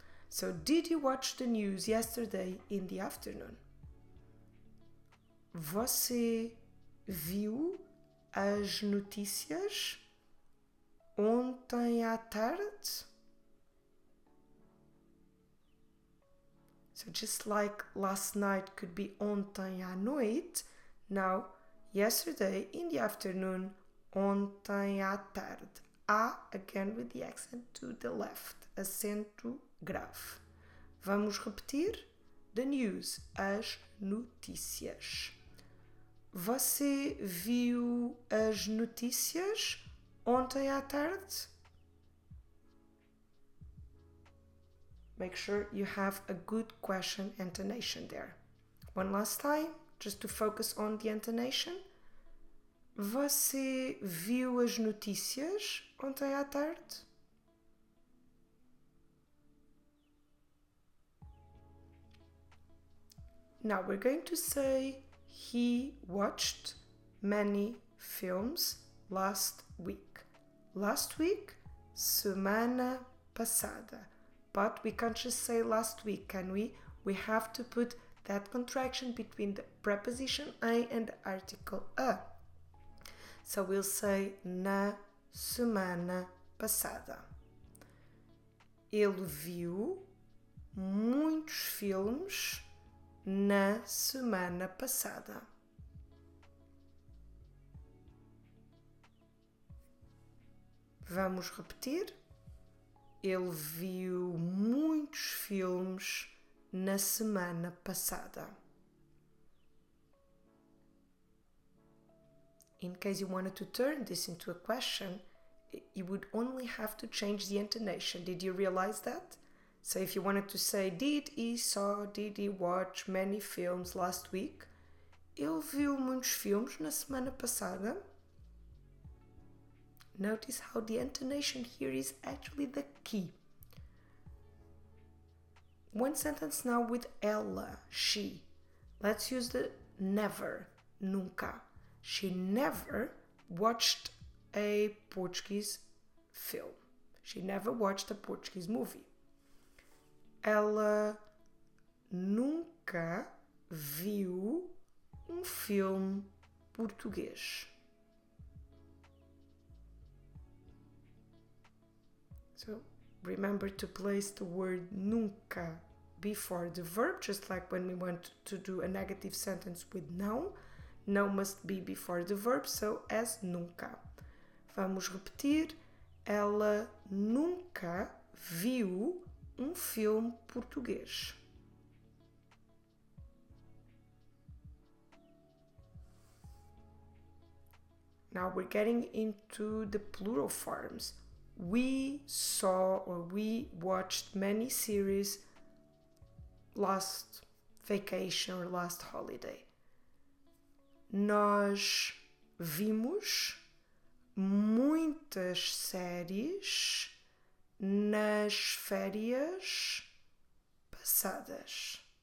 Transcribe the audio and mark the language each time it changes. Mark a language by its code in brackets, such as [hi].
[en] So, did you watch the news yesterday in the afternoon? [pt] Você viu as notícias ontem à tarde? [en] So, just like last night could be [pt] ontem à noite, [en] now, yesterday in the afternoon, [pt] ontem à tarde. [en] A, again with the accent to the left, [pt] acento grave. Vamos repetir? [en] The news, [pt] as notícias. Você viu as notícias ontem à tarde? [en] Make sure you have a good question intonation there. One last time, just to focus on the intonation. [pt] Você viu as notícias ontem à tarde? [en] Now we're going to say he watched many films last week. Last week, [pt] semana passada. [en] But we can't just say last week, can we? We have to put that contraction between the preposition em and the article a. So we'll say [pt] na semana passada. Ele viu muitos filmes na semana passada. Vamos repetir. Ele viu muitos filmes na semana passada. [en] In case you wanted to turn this into a question, you would only have to change the intonation. Did you realize that? So if you wanted to say, did he watch many films last week? [pt] Ele viu muitos filmes na semana passada? [en] Notice how the intonation here is actually the key. One sentence now with ela, she. Let's use the never, nunca. She never watched a Portuguese film. She never watched a Portuguese movie. [pt] Ela nunca viu filme português. [en] So, remember to place the word nunca before the verb, just like when we want to do a negative sentence with não. Não must be before the verb, so as nunca. [pt] Vamos repetir. Ela nunca viu filme português. [en] Now we're getting into the plural forms. We saw or we watched many series last vacation or last holiday. [pt] Nós vimos muitas séries nas férias passadas.